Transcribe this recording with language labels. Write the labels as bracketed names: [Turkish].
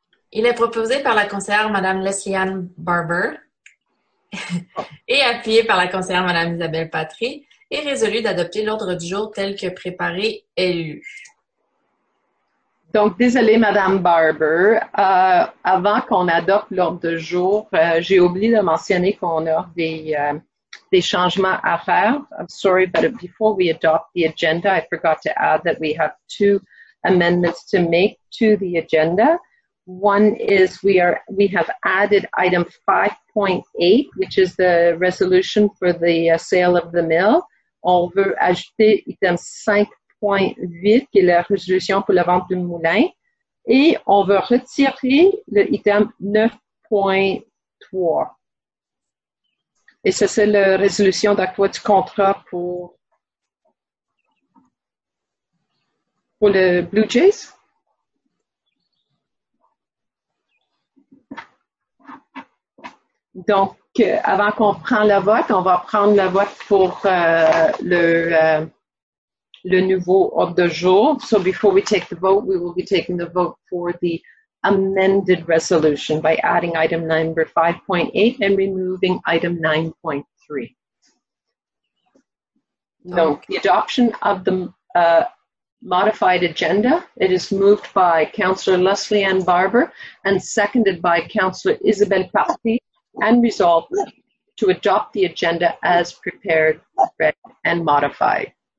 [French] Il est proposé par la conseillère Mme Leslie Ann Barber et appuyé par la conseillère Mme Isabelle Patry et résolu d'adopter l'ordre du jour tel que préparé et lu. Donc, désolée, Madame Barber, avant qu'on adopte l'ordre de jour, j'ai oublié de mentionner qu'on a des changements à faire. [English] I'm sorry, but before we adopt the agenda, I forgot to add that we have two amendments to make to the agenda. One is we have added item 5.8, which is the resolution for the sale of the mill. [French] On veut ajouter item 5.8, qui est la résolution pour la vente du moulin. Et on veut retirer le item 9.3. Et ça, c'est la résolution d'octroi du contrat pour le Blue Jays. Donc, avant qu'on prenne le vote, on va prendre le vote pour le nouveau ordre de jour. [English] So before we take the vote, we will be taking the vote for the amended resolution by adding item number 5.8 and removing item 9.3. Okay. So the adoption of the modified agenda, it is moved by Councillor Leslie Ann Barber and seconded by Councillor Isabelle Parti and resolved to adopt the agenda as prepared, read, and modified.